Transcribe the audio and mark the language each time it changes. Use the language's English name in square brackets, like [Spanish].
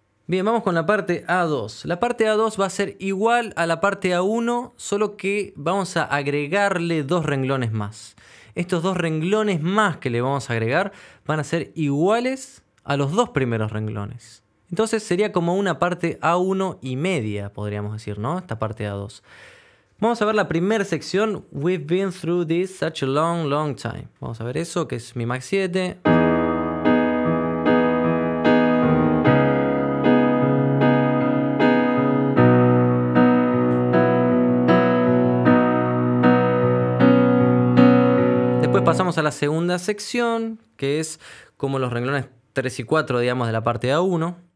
[Spanish] Bien, vamos con la parte A2. La parte A2 va a ser igual a la parte A1, solo que vamos a agregarle dos renglones más. Estos dos renglones más que le vamos a agregar van a ser iguales a los dos primeros renglones. Entonces sería como una parte A1 y media, podríamos decir, ¿no? Esta parte A2. Vamos a ver la primera sección. [English] We've been through this such a long, long time. [Spanish] Vamos a ver eso, que es Mi Max 7. Pasamos a la segunda sección, que es como los renglones 3 y 4, digamos, de la parte de A1.